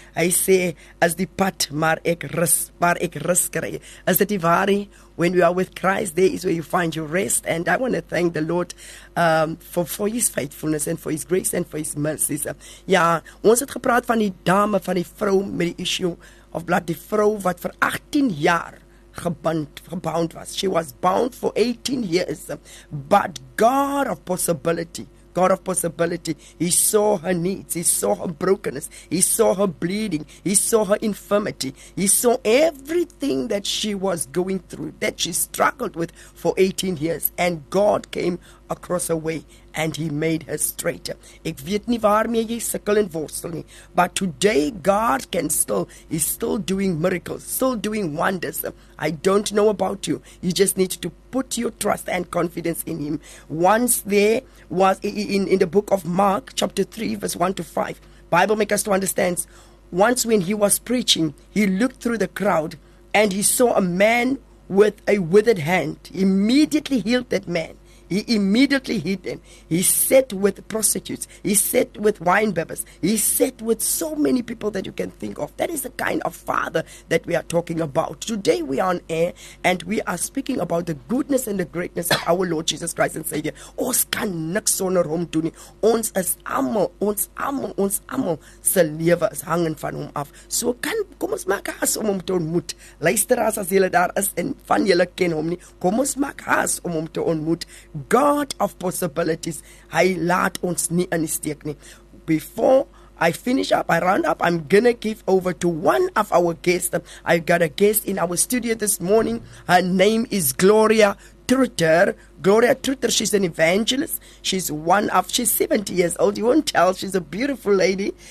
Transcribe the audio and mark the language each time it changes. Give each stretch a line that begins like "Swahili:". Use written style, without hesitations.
Afrikaans: Hy sê, as die pad, maar ek rus kry. Is dit die waar?
English: When we are with Christ, there is where you find your rest. And I want to thank the Lord for his faithfulness and for his grace and for his mercies.
Afrikaans: Ja, ons het gepraat van die dame, van die vrou met die
English: issue of blood.
Afrikaans: Die vrou wat vir 18 jaar gebound was.
English: She was bound for 18 years. But God of possibility. God of possibility. He saw her needs. He saw her brokenness. He saw her bleeding. He saw her infirmity. He saw everything that she was going through, that she struggled with for 18 years. And God came across her way and he made her straighter.
Afrikaans: Ek weet nie waarmee jy sukkel en worstel nie.
English: But today God can still, he's still doing miracles, still doing wonders. I don't know about you. You just need to put your trust and confidence in him. Once there was in the book of Mark chapter 3 verse 1 to 5. Bible makes us to understand, once when he was preaching, he looked through the crowd and he saw a man with a withered hand. Immediately healed that man. He immediately healed him. He sat with prostitutes. He sat with wine bibbers. He sat with so many people that you can think of. That is the kind of father that we are talking about. Today we are on air and we are speaking about the goodness and the greatness of our Lord Jesus Christ and Savior.
Afrikaans: Ons kan niks sonder hom doen nie. Ons is almal, ons almal se lewe is hangend van hom af. So kan, kom ons maak haas om hom te ontmoet. Luister as julle daar is en van julle ken hom nie. Kom ons maak haas om hom te ontmoet.
English: God of possibilities,
Afrikaans: hy laat ons nie in die steek nie.
English: Before I finish up, I round up, I'm going to give over to one of our guests. I've got a guest in our studio this morning. Her name is Gloria Trutter. Gloria Trutter, she's an evangelist. She's 70 years old. You won't tell, she's a beautiful lady.